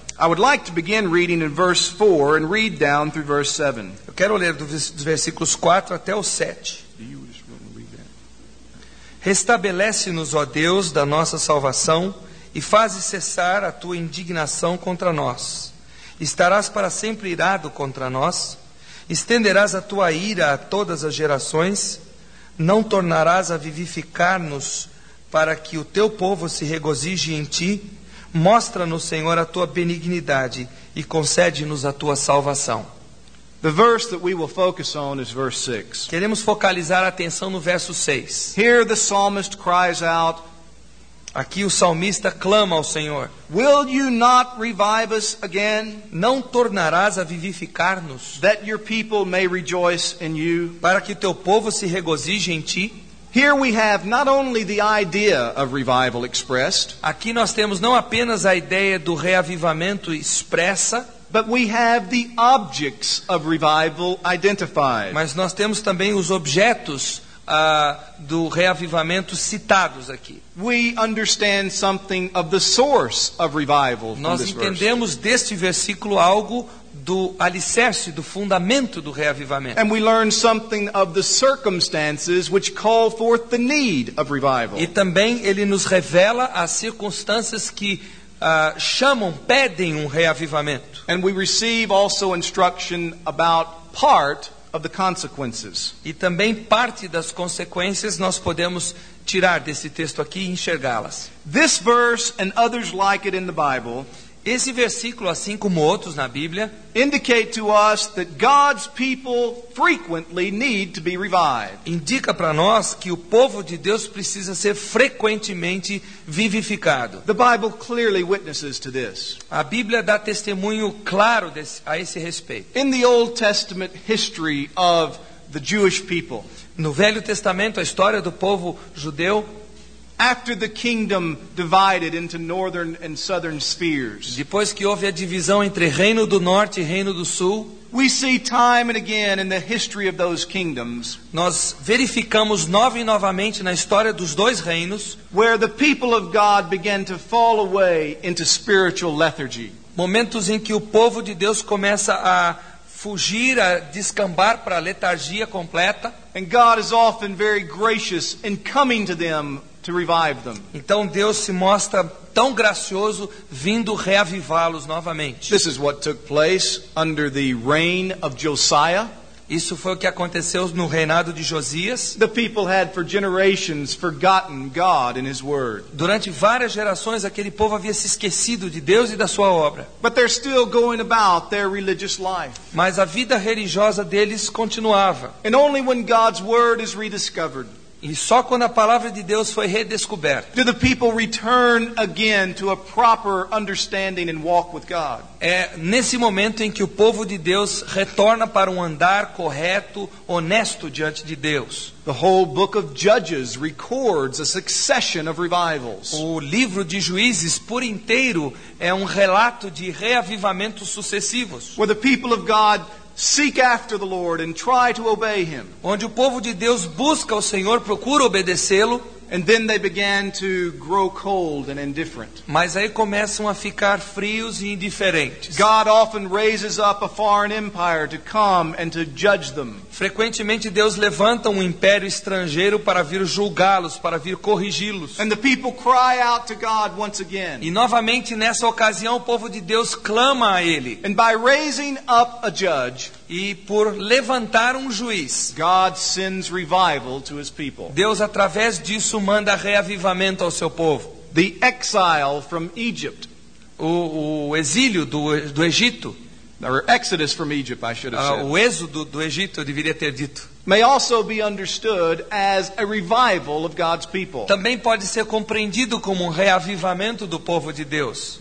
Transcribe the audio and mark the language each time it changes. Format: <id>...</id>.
<en>I would like to begin reading in verse 4 and read down through verse 7.</en> <pt>Eu quero ler dos versículos 4 até o 7. Restabelece-nos, ó Deus, da nossa salvação e faze cessar a tua indignação contra nós. Estarás para sempre irado contra nós, estenderás a tua ira a todas as gerações, não tornarás a vivificar-nos para que o teu povo se regozije em ti. Mostra-nos, Senhor, a tua benignidade e concede-nos a tua salvação.</pt> <en>The verse that we will focus on is verse 6.</en> <pt>Queremos focalizar a atenção no verso 6.</pt> <en>Here the psalmist cries out.</en> <pt>Aqui o salmista clama ao Senhor.</pt> <en>Will you not revive us again?</en> <pt>Não tornarás a vivificar-nos?</pt> <en>That your people may rejoice in you.</en> <pt>Para que o teu povo se regozije em ti.</pt> <en>Here we have not only the idea of revival expressed.</en> <pt>Aqui nós temos não apenas a ideia do reavivamento expressa.</pt> <en>But we have the objects of revival identified.</en> <pt>Mas nós temos também os objetos do reavivamento citados aqui.</pt> <en>We understand something of the source of revival.</en> <pt>Nós entendemos deste versículo algo do alicerce, do fundamento do reavivamento.</pt> <en>And we learn something of the circumstances which call forth the need of revival.</en> <pt>E também ele nos revela as circunstâncias que chamam, pedem um reavivamento.</pt> <en>And we receive also instruction about part of the consequences.</en> <pt>E também parte das consequências nós podemos tirar desse texto aqui e enxergá-las.</pt> <en>This verse and others like it in the Bible,</en> <pt>esse versículo, assim como outros na Bíblia,</pt> <en>indicate to us that God's people frequently need to be revived.</en> <pt>Indica para nós que o povo de Deus precisa ser frequentemente vivificado.</pt> <en>The Bible clearly witnesses to this.</en> <pt>A Bíblia dá testemunho claro a esse respeito.</pt> <en>In the Old Testament history of the Jewish people,</en> <pt>no Velho Testamento, a história do povo judeu,</pt> <en>after the kingdom divided into northern and southern spheres,</en> <pt>depois que houve a divisão entre reino do norte e reino do sul,</pt> <en>we see time and again in the history of those kingdoms,</en> <pt>nós verificamos novamente na história dos dois reinos,</pt> <en>where the people of God began to fall away into spiritual lethargy,</en> <pt>momentos em que o povo de Deus começa a fugir, a descambar para a letargia completa,</pt> <en>and God is often very gracious in coming to them to revive them.</en> <pt>Então Deus se mostra tão gracioso vindo reavivá-los novamente.</pt> <en>This is what took place under the reign of Josiah.</en> <pt>Isso foi o que aconteceu no reinado de Josias.</pt> <en>The people had for generations forgotten God and his word.</en> <pt>Durante várias gerações aquele povo havia se esquecido de Deus e da sua obra.</pt> <en>But they're still going about their religious life.</en> <pt>Mas a vida religiosa deles continuava.</pt> <en>And only when God's word is rediscovered,</en> <pt>e só quando a palavra de Deus foi redescoberta,</pt> <en>do the people return again to a proper understanding and walk with God.</en> <pt>É nesse momento em que o povo de Deus retorna para um andar correto, honesto diante de Deus.</pt> <en>The whole book of Judges records a succession of revivals.</en> <pt>O livro de Juízes por inteiro é um relato de reavivamentos sucessivos.</pt> <en>Where the people of God seek after the Lord and try to obey him.</en> <pt>Onde o povo de Deus busca o Senhor, procura obedecê-lo.</pt> <en>And then they began to grow cold and indifferent.</en> <pt>Mas aí começam a ficar frios e indiferentes.</pt> <en>God often raises up a foreign empire to come and to judge them.</en> <pt>Frequentemente Deus levanta um império estrangeiro para vir julgá-los, para vir corrigi-los.</pt> <en>And the people cry out to God once again.</en> <pt>E novamente nessa ocasião o povo de Deus clama a ele.</pt> <en>And by raising up a judge,</en> <pt>e por levantar um juiz,</pt> <en>God sends revival to his people.</en> <pt>Deus através disso manda reavivamento ao seu povo.</pt> <en>The exile from Egypt,</en> <pt>o exílio do Egito.</pt> <en>Or Exodus from Egypt, I should have said.</en> <pt>O êxodo do Egito, eu deveria ter dito.</pt> <en>May also be understood as a revival of God's people.</en> <pt>Também pode ser compreendido como um reavivamento do povo de Deus.</pt>